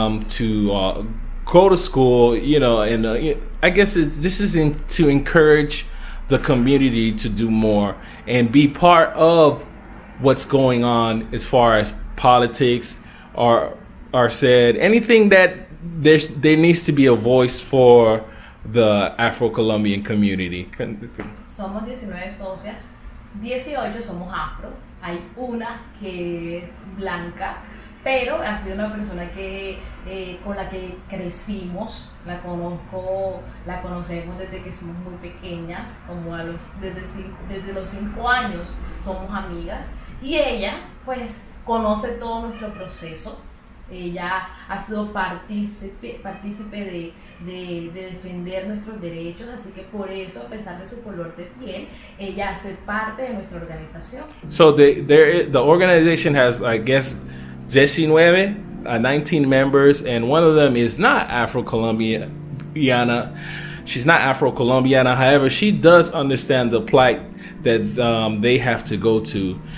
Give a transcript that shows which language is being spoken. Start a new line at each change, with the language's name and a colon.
English: to go to school, you know, and I guess to encourage the community to do more and be part of what's going on as far as politics are said, anything that there needs to be a voice for the Afro-Colombian community.
Spanish: Somos 19 socias, 18 somos afro, hay una que es blanca, pero ha sido una persona que con la que crecimos, la conocemos desde que somos muy pequeñas, como desde los 5 años somos amigas, y ella, pues, conoce todo nuestro proceso. Ella ha sido partícipe de defender nuestros derechos, así que por eso, a pesar de su color de piel, ella hace parte de nuestra organización.
English: So the organization has, I guess, 19 members, and one of them is not Afro-Colombiana. She's not Afro-Colombiana, however, she does understand the plight that they have to go to.